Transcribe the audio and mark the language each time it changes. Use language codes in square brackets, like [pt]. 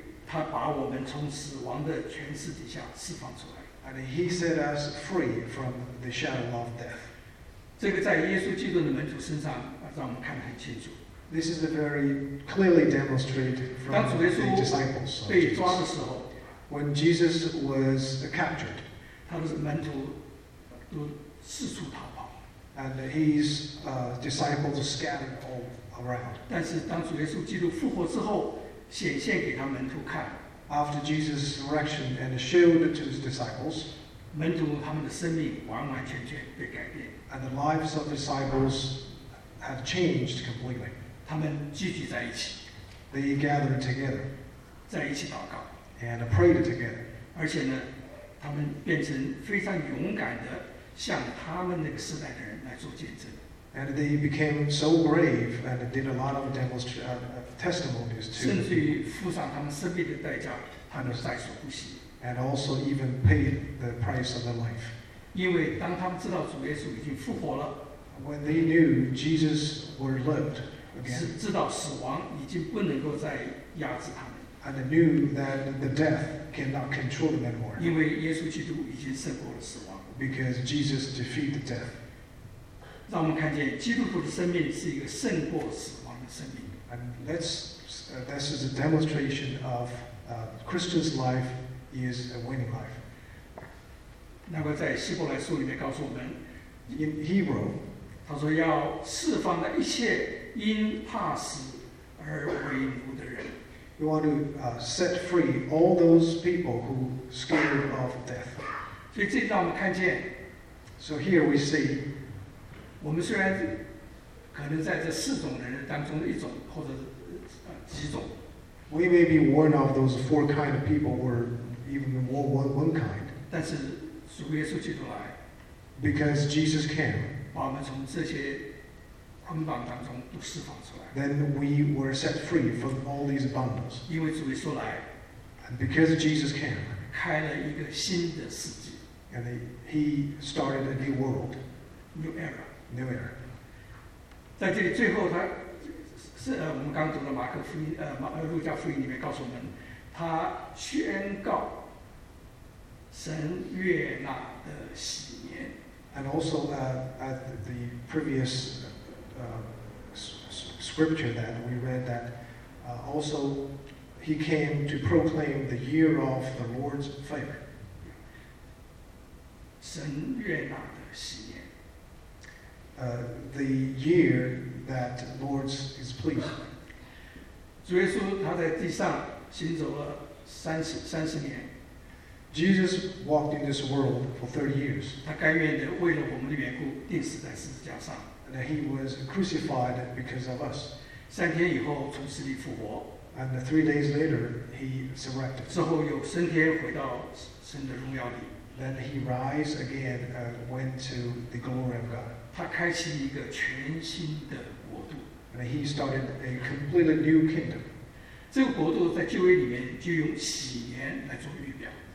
[zh] 他把我们从死亡的权势底下释放出来。 [en] And he set us free from the shadow of death. [zh] 这个在耶稣基督的门徒身上让我们看得很清楚。 [en] This is a very clearly demonstrated from the disciples. [zh] 当主耶稣被抓的时候。 [en] When Jesus was captured, [zh] 他的门徒都四处逃跑 [en] and his disciples scattered all around. [zh] 但是当主耶稣基督复活之后，显现给他门徒看 [en] after Jesus' resurrection and showed to his disciples, [zh] 门徒他们的生命完完全全被改变 [en] and the lives of disciples have changed completely. [zh] 他们聚集在一起 [en] they gathered together, [zh] 在一起祷告。 [en] And prayed together. [zh] 而且呢，他们变成非常勇敢的，向他们那个时代的人来做见证。 [en] And they became so brave and did a lot of testimonies to. [zh] 甚至于付上他们生命的代价，他们再次呼吸。 [en] And also even paid the price of their life. [zh] 因为当他们知道主耶稣已经复活了 [en] ，When they knew Jesus were lived again, [zh] 知道死亡已经不能够再压制他们。 [en] And knew that the death cannot control them anymore. [zh] 因为耶稣基督已经胜过了死亡。 [en] Because Jesus defeated death. [zh] 让我们看见基督徒的生命是一个胜过死亡的生命。 [en] And this is a demonstration of Christian's life is a winning life. [zh] 那么在希伯来书里面告诉我们 [en] ，In Hebrew, [zh] 他说要释放那一切因怕死而为奴的人。 [en] We want to set free all those people who scared of death. [zh] 所以这让我们看见， [en] So here we see, [zh] 我们虽然可能在这四种人当中的一种或者几种， [en] we may be one of those four kind of people or even more one kind. [zh] 但是主耶稣基督来， [en] because Jesus came, [zh] 把我们从这些捆绑当中都释放出来。 [en] Then we were set free from all these bondages. [zh] 因为主耶稣来， [en] and because Jesus came, [zh] 开了一个新的世纪。 [en] And he started a new world. New era. New era. [zh] 在这里最后他是我们刚读的马可福音路加福音里面告诉我们，他宣告神悦纳的喜年。 [en] And also at the previous scripture that we read that also he came to proclaim the year of the Lord's favor. [zh] 神悦纳的喜年。 [en] The year that the Lord is pleased. [zh] 主耶稣他在地上行走了三十年。 [en] Jesus walked in this world for 30 years. [zh] 他甘愿地为了我们的缘故钉死在十字架上。 [en] And he was crucified because of us. [zh] 3天以后从死里复活。 [en] And 3 days later, he resurrected. [zh] 之后又升天回到神的荣耀里。 [en] Then he rise again and went to the glory of God. [zh] 他开启一个全新的国度。 [en] And he started a completely new kingdom. [zh] 这个国度在旧约里面就用禧年来做预表。